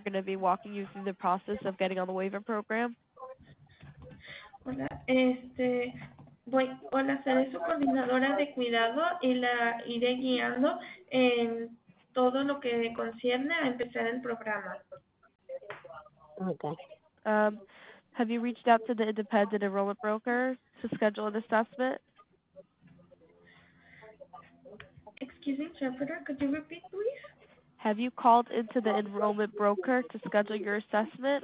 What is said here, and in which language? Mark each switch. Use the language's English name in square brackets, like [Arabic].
[English] Going to be walking you through the process of getting on the waiver program. [Spanish] Hola. Hola. Seré su coordinadora de cuidado y la iré guiando en todo lo que concierne a empezar el programa. [English] Okay. Have you reached out to the independent enrollment broker to schedule an assessment? Excuse me, interpreter, could you repeat, please? Have you called into the enrollment broker to schedule your assessment?